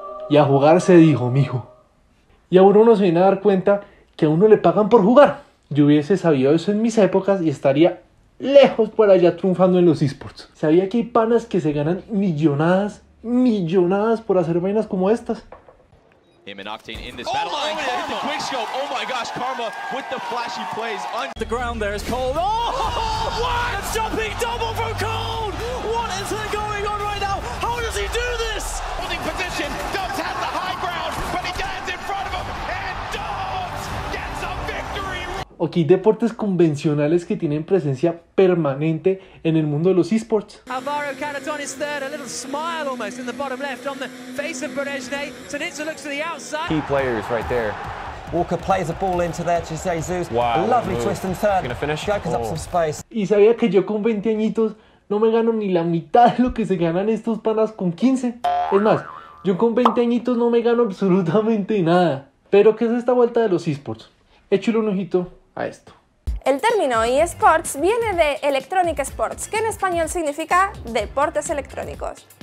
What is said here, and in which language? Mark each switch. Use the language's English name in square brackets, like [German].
[Spanish] Y a jugar se dijo, mijo. Y a uno no se viene a dar cuenta que a uno le pagan por jugar. Yo hubiese sabido eso en mis épocas y estaría lejos por allá triunfando en los esports. Sabía que hay panas que se ganan millonadas, millonadas por hacer vainas como estas. [English] Him and Octane in this battle. Oh my, oh, the quick scope. Oh my gosh, Karma with the flashy plays. On the ground there is Cold. Oh, what? A jumping double from Cold. What is there going on right now? How does he do this? Holding position. Dubs has the high ground, but he dives in front of him. And Dubs gets a victory. [Spanish] Ok, deportes convencionales que tienen presencia permanente en el mundo de los esports. [English] Alvaro Canetón is third, a little smile almost in the bottom left on the face of Berezhne. Tanitsa looks to the outside. Key players right there. Walker plays a ball into there to Jesus. Wow. A lovely twist and turn. Gonna finish. Jokers up some space. [Spanish] Y sabía que yo con 20 añitos no me gano ni la mitad de lo que se ganan estos panas con 15. Es más, yo con 20 añitos no me gano absolutamente nada. Pero ¿qué es esta vuelta de los esports? Échale un ojito a esto. El término eSports viene de Electronic Sports, que en español significa deportes electrónicos.